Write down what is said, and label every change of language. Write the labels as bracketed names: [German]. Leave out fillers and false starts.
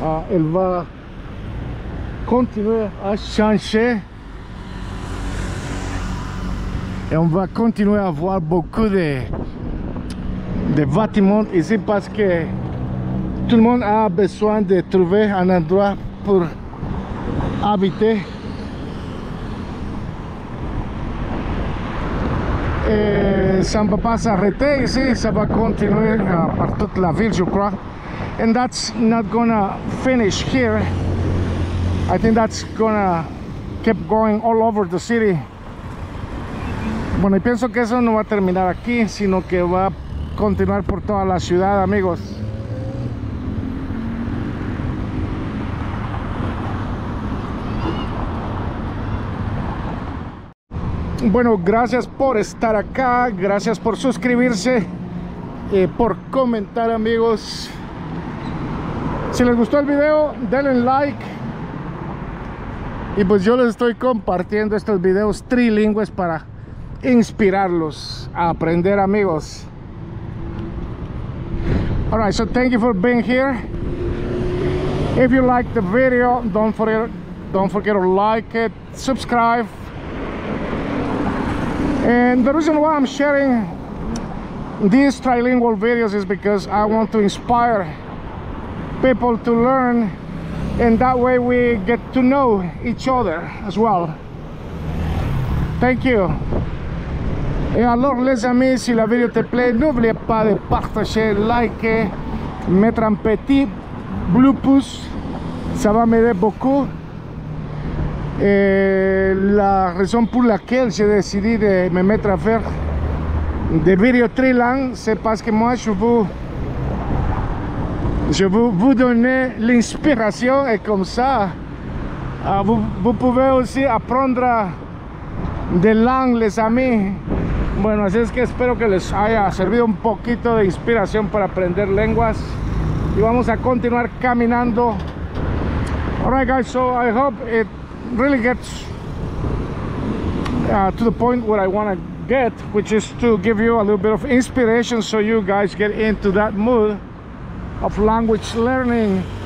[French] Elle va continuer à changer et on va continuer à voir beaucoup de bâtiments ici parce que tout le monde a besoin de trouver un endroit pour habiter. Et ça ne va pas s'arrêter ici, ça va continuer par toute la ville, je crois. [English] And that's not gonna finish here. I think that's gonna keep going all over the city. [Spanish] Bueno, y pienso que eso no va a terminar aquí, sino que va a continuar por toda la ciudad, amigos. Bueno, gracias por estar acá, gracias por suscribirse, por comentar, amigos. Si les gustó el video, denle like. Y pues yo les estoy compartiendo estos videos trilingües para inspirarlos a aprender, amigos. [English] All right, so thank you for being here. If you like the video, don't forget to like it, subscribe. And the reason why I'm sharing these trilingual videos is because I want to inspire people to learn, and that way we get to know each other as well. Thank you. [French] Et alors les amis, si la vidéo te plaît, n'oublie pas de partager, liker, mettre un petit bleu pouce, ça va m'aider beaucoup. La raison pour laquelle j'ai décidé de me mettre à faire des vidéos trilingues, c'est parce que moi je veux vous donner l'inspiration, et comme ça vous pouvez aussi apprendre des langues, les amis. [Spanish] Bueno, así es que espero que les haya servido un poquito de inspiración para aprender lenguas, y vamos a continuar caminando. [English] Alright guys, so I hope it really gets to the point where I want to get, which is to give you a little bit of inspiration so you guys get into that mood of language learning.